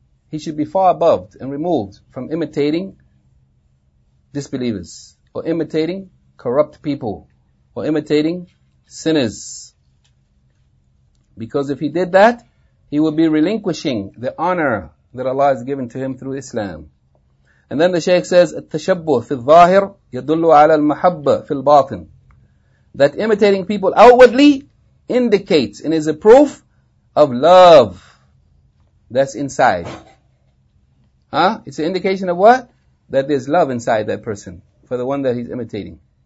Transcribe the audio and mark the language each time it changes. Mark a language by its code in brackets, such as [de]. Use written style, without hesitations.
[en] He should be far above and removed from imitating disbelievers, or imitating corrupt people, or imitating sinners. Because if he did that, he would be relinquishing the honor that Allah has given to him through Islam. And then the Shaykh says, [ar] التشبه في الظاهر يدل على المحبة في الباطن. [en] That imitating people outwardly indicates and is a proof of love that's inside. Huh? It's an indication of what? That there's love inside that person for the one that he's imitating.